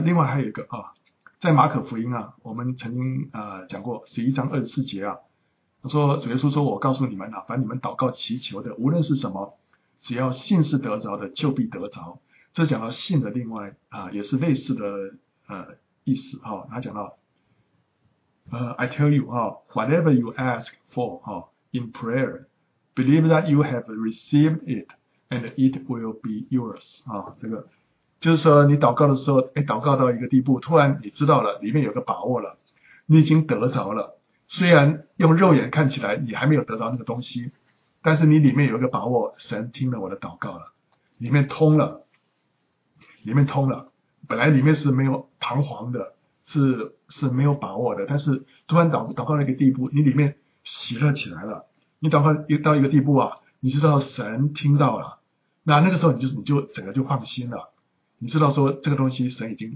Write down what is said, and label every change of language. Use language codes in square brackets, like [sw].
[zh] 另外还有一个在马可福音啊，我们曾经讲过11章24节啊，他说主耶稣说，我告诉你们啊，凡你们祷告祈求的，无论是什么，只要信是得着的，就必得着。这讲到信的另外也是类似的意思啊。他讲到 [en] I tell you, whatever you ask for, in prayer, believe that you have received it, and it will be yours. [zh] 这个就是说你祷告的时候，祷告到一个地步，突然你知道了，里面有个把握了，你已经得着了，虽然用肉眼看起来你还没有得到那个东西，但是你里面有一个把握，神听了我的祷告了，里面通了，里面通了，本来里面是没有彷徨的，是没有把握的，但是突然祷告了一个地步，你里面喜乐起来了，你祷告到一个地步啊，你知道神听到了，那那个时候你就整个就放心了，你知道说这个东西神